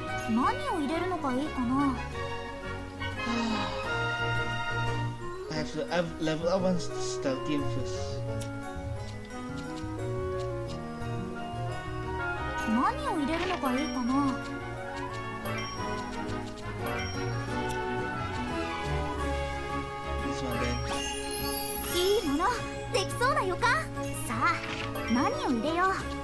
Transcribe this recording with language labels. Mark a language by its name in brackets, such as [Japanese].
[Japanese] 何を入れるのかいいかな。 [English] So I've level up on stealth game first. [Japanese] 何を入れるのがいいかな。 [English] This one then. [Japanese] いいもの、できそうな予感。さあ、何を入れよう。